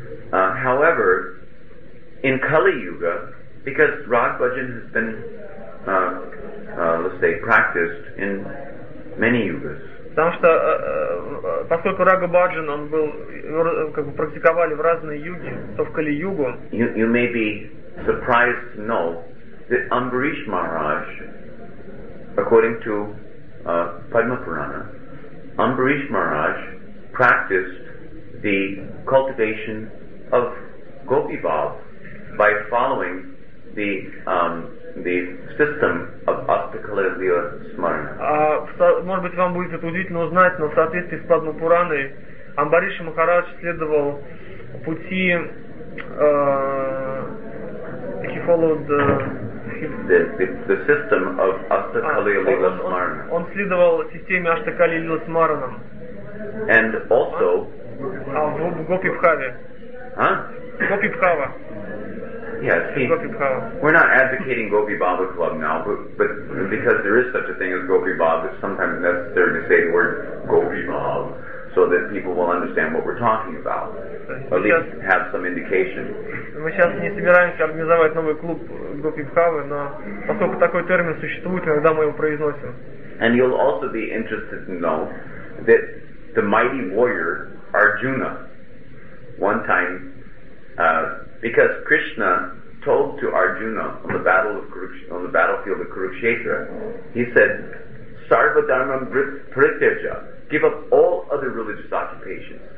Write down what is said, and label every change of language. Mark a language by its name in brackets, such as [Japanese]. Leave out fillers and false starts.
[English] However, in Kali Yuga, because Rag Bhajan has been, let's say, practiced in many yugas. [Russian] Потому что поскольку Рага Бхаджан он был как бы практиковали в разные юги, то в Кали Югу. [English] You may be surprised to know that Ambarish Maharaj, according to Padma Purana, Ambarish Maharaj practiced the cultivation of Gopi Bhav by following the system of Astakala Lila Smarana. [Russian] Может быть, вам будет это удивительно узнать, но в соответствии с Падма Пураной Амбариш Махарадж следовал пути [English] he followed the system of Astakala Lila Smarana. [Russian] Он следовал системе Астакали Лила Смарана. [English] And also [Russian] в Гопи Бхаве. Гопи Бхава. [English] Yes, we're not advocating Gopi Baba Club now, but because there is such a thing as Gopi Baba, it's sometimes necessary to say the word Gopi Baba so that people will understand what we're talking about, or at least have some indication. [Russian] Мы сейчас не собираемся организовать новый клуб Гопи Бхавы, но поскольку такой термин существует, иногда мы его произносим. [English] And you'll also be interested to know that the mighty warrior Arjuna, one time, because Krishna told to Arjuna on the battle of on the battlefield of Kurukshetra, he said, [Sanskrit] "Sarva dharmam parityaja, [English] give up all other religious occupations."